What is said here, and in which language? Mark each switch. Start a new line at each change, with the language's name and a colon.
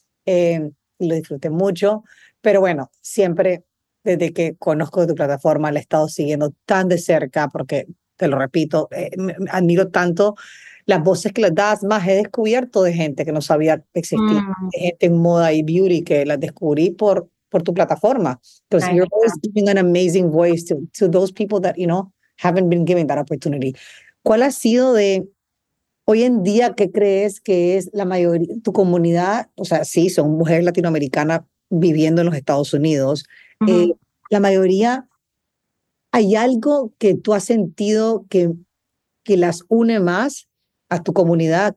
Spanish: Lo disfruté mucho. Pero bueno, siempre desde que conozco tu plataforma, la he estado siguiendo tan de cerca, porque te lo repito, admiro tanto las voces que las das. Más he descubierto de gente que no sabía existir, de gente en moda y beauty que las descubrí por tu plataforma.
English: Because you're always giving an amazing voice to those people that, you know, haven't been given that opportunity.
Spanish: ¿Cuál ha sido de hoy en día qué crees que es la mayoría tu comunidad? O sea, sí, son mujeres latinoamericanas viviendo en los Estados Unidos. Uh-huh. La mayoría, ¿hay algo que tú has sentido que las une más a tu comunidad?